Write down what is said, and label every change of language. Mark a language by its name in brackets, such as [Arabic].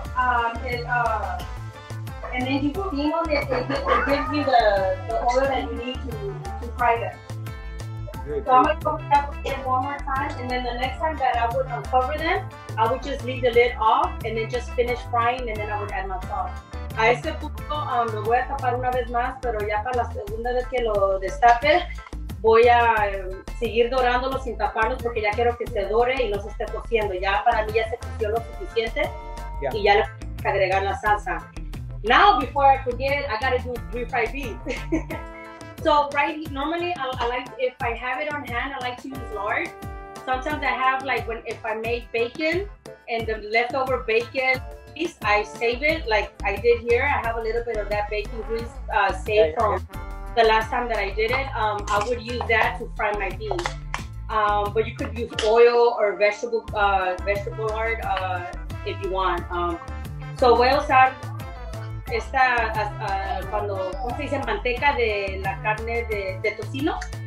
[English] And then you put them on it, it gives you the oil that you need to fry them. Good. So I'm gonna cover that again one more time, and then the next time that I would uncover them, I would just leave the lid off and then just finish frying, and then I would add my sauce. [Spanish] A ese punto, lo voy a tapar una vez más, pero ya para la segunda vez que lo destape, voy a seguir dorándolo sin taparlo porque ya quiero que se dore y no se esté cociendo. Ya para mí ya se coció lo suficiente, [English] yeah. [Spanish] Y ya le voy a agregar la salsa. [English] Now, before I forget, I gotta do refried beans. So right, normally I like, if I have it on hand, I like to use lard. Sometimes I have if I make bacon and the leftover bacon piece, I save it like I did here. I have a little bit of that bacon grease saved from the last time that I did it. I would use that to fry my beans. But you could use oil or vegetable lard if you want. [Spanish] So voy a usar esta cuando cómo se dice manteca de la carne de tocino,